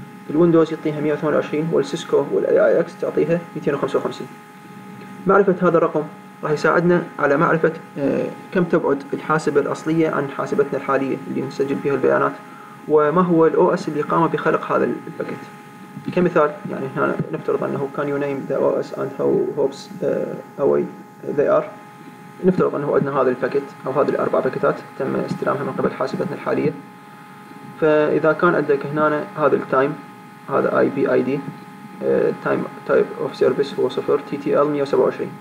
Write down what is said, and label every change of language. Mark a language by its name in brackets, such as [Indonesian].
[Arabic] الويندوز يعطيها 128 والسيسكو والأي آي إكس تعطيها 255. معرفة هذا الرقم راح يساعدنا على معرفة كم تبعد الحاسبة الأصلية عن حاسبتنا الحالية اللي نسجل فيها البيانات وما هو الأو إس اللي قام بخلق هذا الباكيت. كمثال يعني هنا نفترض أنه [English] can you name the OS and how hopes away they are. [Arabic] نفترض أنه عندنا هذا الباكت أو هذه الأربع باكتات تم استلامها من قبل حاسبتنا الحالية. فإذا كان عندك هنا هذا التايم هذا IP ID time type of service هو 0 TTL 127.